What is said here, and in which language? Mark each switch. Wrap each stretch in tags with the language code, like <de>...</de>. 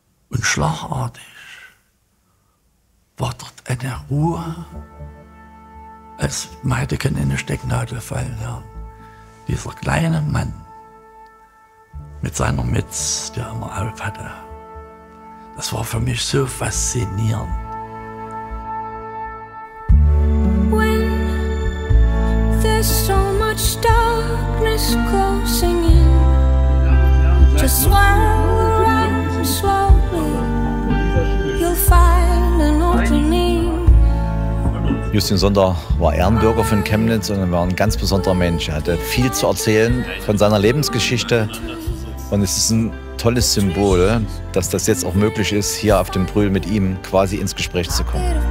<de>Und schlagartig war dort eine Ruhe. Als man hätte keine in eine Stecknadel fallen lassen. Dieser kleine Mann mit seiner Mütz, der immer auf hatte, das war für mich so faszinierend.</de> <en>When there's so much darkness closing in, just swirl around slowly, you'll find an opening.</en> <de>Justin Sonder war Ehrenbürger von Chemnitz und war ein ganz besonderer Mensch. Er hatte viel zu erzählen von seiner Lebensgeschichte. Und es ist ein tolles Symbol, dass das jetzt auch möglich ist, hier auf dem Brühl mit ihm quasi ins Gespräch zu kommen.</de>